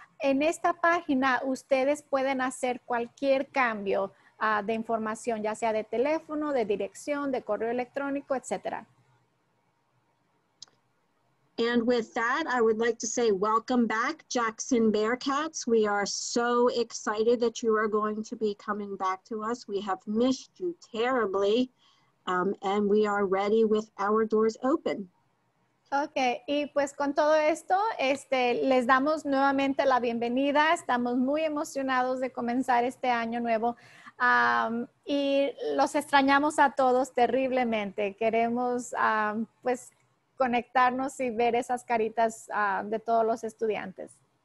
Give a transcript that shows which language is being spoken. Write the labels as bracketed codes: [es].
[es] En esta página ustedes pueden hacer cualquier cambio de información, ya sea de teléfono, de dirección, de correo electrónico, etc. [en] And with that, I would like to say welcome back, Jackson Bearcats. We are so excited that you are going to be coming back to us. We have missed you terribly, and we are ready with our doors open. [es] Okay, y pues con todo esto, les damos nuevamente la bienvenida. Estamos muy emocionados de comenzar este año nuevo. Y los extrañamos a todos terriblemente. Queremos, pues, conectarnos y ver esas caritas de todos los estudiantes.